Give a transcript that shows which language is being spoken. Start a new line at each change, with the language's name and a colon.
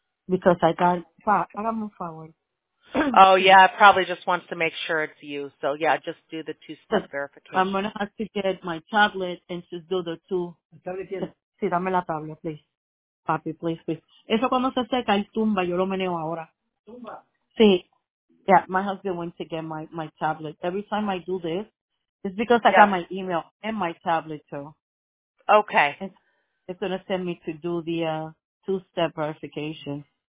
English: Because I got move forward. Oh yeah, it probably just wants to make sure it's you. So yeah, just do the two-step verification. I'm gonna have to get my tablet and just do the two.
Spanish: Sí, dame la tablet,
English: please.
Spanish: Papi, please, please. Eso cuando se seca el tumba, yo lo meneo ahora. Tumba. Sí.
English: Yeah, my husband went to get my tablet. Every time I do this, it's because I got my email and my tablet too. Okay. It's gonna send me to do the, two-step verification.